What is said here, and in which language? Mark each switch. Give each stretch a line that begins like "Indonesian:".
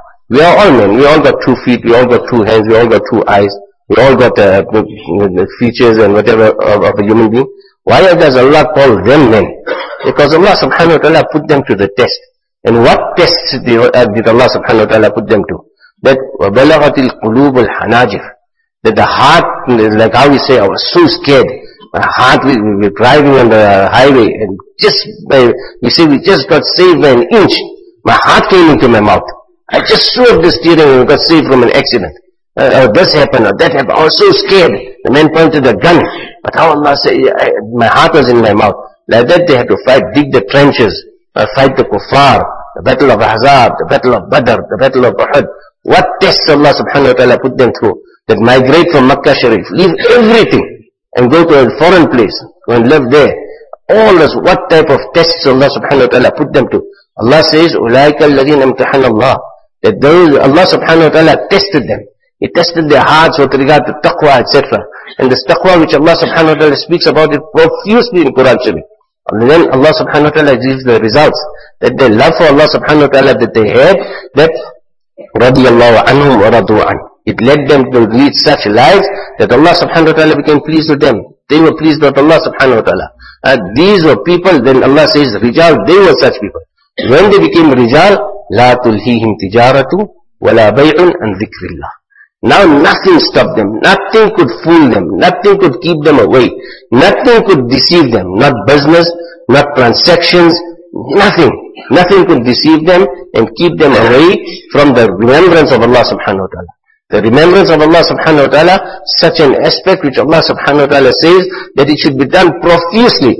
English: We are all men. We all got 2 feet, we all got 2 hands, we all got 2 eyes, we all got the features and whatever of a human being. Why does Allah call them men? Because Allah subhanahu wa ta'ala put them to the test. And what tests did Allah subhanahu wa ta'ala put them to?
Arabic: That وَبَلَغَتِ الْقُلُوبُ الْحَنَاجِرِ.
English: That the heart, like how we say, I was so scared. My heart, we're driving on the highway, and just by, we say we just got saved by an inch. My heart came into my mouth. I just swerved the steering and got saved from an accident. This happened or that happened. I was so scared. The man pointed the gun. But how Allah said, my heart was in my mouth. Like that they had to fight, dig the trenches, fight the kuffar, the battle of Ahzab, the battle of Badr, the battle of Uhud. What tests Allah subhanahu wa ta'ala put them through? That migrate from Makkah Sharif, leave everything and go to a foreign place and live there. All this, what type of tests Allah subhanahu wa ta'ala put them to? Allah says,
Arabic: أُولَٰئِكَ الَّذِينَ امْتَحَنَ اللَّهِ.
English: That those, Allah subhanahu wa ta'ala tested them. He tested their hearts with regard to taqwa, etc. And this taqwa which Allah subhanahu wa ta'ala speaks about it profusely in Quran Sharif. And then Allah subhanahu wa ta'ala gives the results. That their love for Allah subhanahu wa ta'ala that they had, that
Arabic: رَضِيَ اللَّهُ عَنْهُمْ وَرَضُوا عَنْهُ.
English: It led them to lead such lives that Allah subhanahu wa ta'ala became pleased with them. They were pleased with Allah subhanahu wa ta'ala. These were people, then Allah says, Rijal, they were such people. When they became Rijal,
Arabic: لا تلهيهم تجارتو ولا بيعن عن ذكر الله.
English: Now nothing stopped them, nothing could fool them, nothing could keep them away, nothing could deceive them, not business, not transactions, nothing. Nothing could deceive them and keep them away from the remembrance of Allah subhanahu wa ta'ala. The remembrance of Allah subhanahu wa ta'ala, such an aspect which Allah subhanahu wa ta'ala says that it should be done profusely.